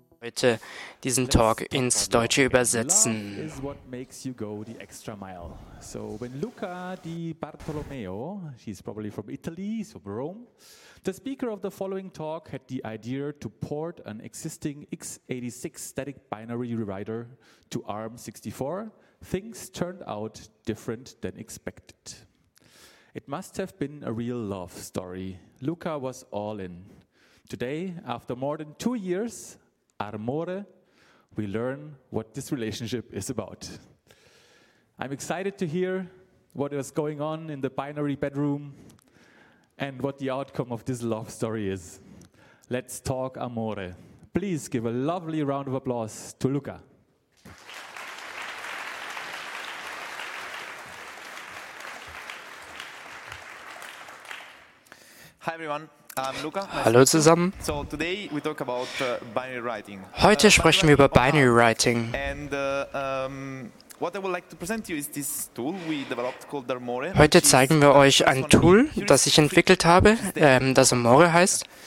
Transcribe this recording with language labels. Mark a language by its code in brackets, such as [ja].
[de] heute diesen Talk ins Deutsche übersetzen. [en] Love is what makes you go the extra mile. So when Luca di Bartolomeo, she's probably from Italy, so Rome, the speaker of the following talk had the idea to port an existing x86 static binary rewriter to ARM64, things turned out different than expected. It must have been a real love story. Luca was all in. Today, after more than 2 years, Armore, we learn what this relationship is about. I'm excited to hear what is going on in the binary bedroom and what the outcome of this love story is. Let's talk Armore. Please give a lovely round of applause to Luca. Hi everyone. Luca. [de] Hallo zusammen. [en] So today we talk about binary writing. [de] Heute sprechen wir über binary writing. [en] And what I would like to present you is this tool we developed called Armore. [de] Heute zeigen wir euch ein Tool, das ich entwickelt habe, das Armore heißt.